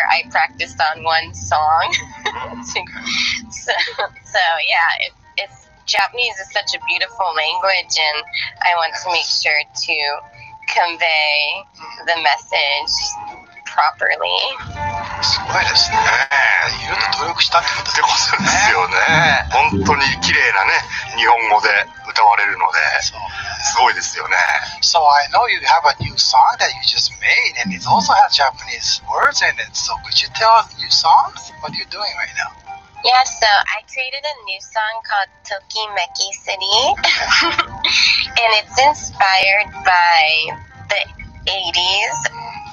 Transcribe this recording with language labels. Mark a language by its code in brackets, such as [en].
[en] I practiced on one song. so yeah, it's Japanese is such a beautiful language, and I want to make sure to convey the messageproperly. [ja] すごいですね。いろいろ努力したってことですよね。本当に綺麗なね、日本語で歌われるので、すごいですよね。 [en] So I know you have a new song that you just made, and it also has Japanese words in it. So could you tell us new songs? What are you doing right now? Yeah, so I created a new song called Tokimeki City. And it's inspired by the 80s.